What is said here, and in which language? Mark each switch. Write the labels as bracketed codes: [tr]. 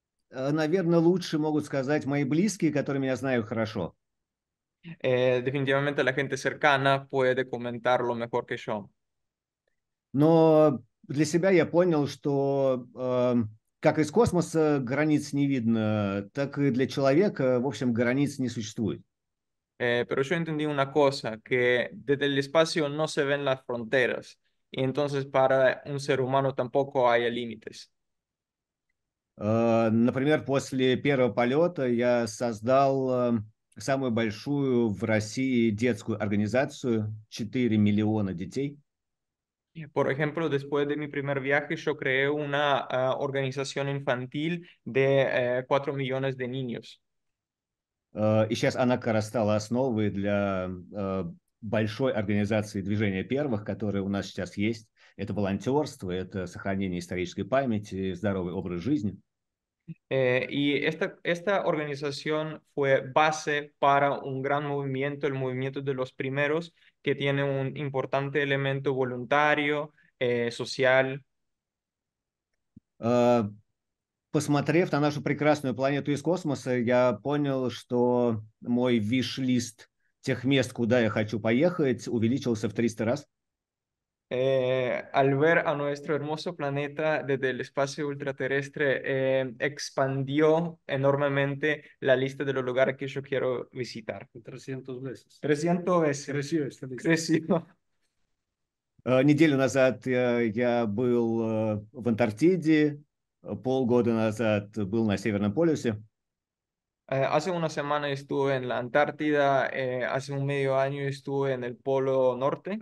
[ru] Наверное, лучше могут сказать мои близкие, которые меня знают хорошо. [es] Definitivamente la gente cercana puede comentarlo mejor que yo. [ru] Но для себя я понял, что как из космоса границ не видно, так и для человека, в общем, границ не существует. [es] Pero yo entendí una cosa, que desde el espacio no se ven las fronteras. Y entonces para un ser humano tampoco hay límites. [ru] Например, после первого полета я создал самую большую в России детскую организацию, 4 миллиона детей. [es] Por ejemplo, después de mi primer viaje yo creé una organización infantil de 4 millones de niños. [ru] И сейчас она как раз стала основой для большой организации движения первых, которые у нас сейчас есть. Это волонтерство, это сохранение исторической памяти, здоровый образ жизни. [es] Y esta organización fue base para un gran movimiento, el movimiento de los primeros, que tiene un importante elemento voluntario, social. [ru] Посмотрев на нашу прекрасную планету из космоса, я понял, что мой виш-лист тех мест, куда я хочу поехать, увеличился в 300 раз. [es] Al ver a nuestro hermoso planeta desde el espacio ultraterrestre, expandió enormemente la lista de los lugares que yo quiero visitar. 300 veces. 300 veces. Creció esta lista. Creció. [ru] Неделю назад я был в Антарктиде, полгода назад был на Северном полюсе. [es] Hace una semana estuve en la Antártida, hace un medio año estuve en el Polo Norte.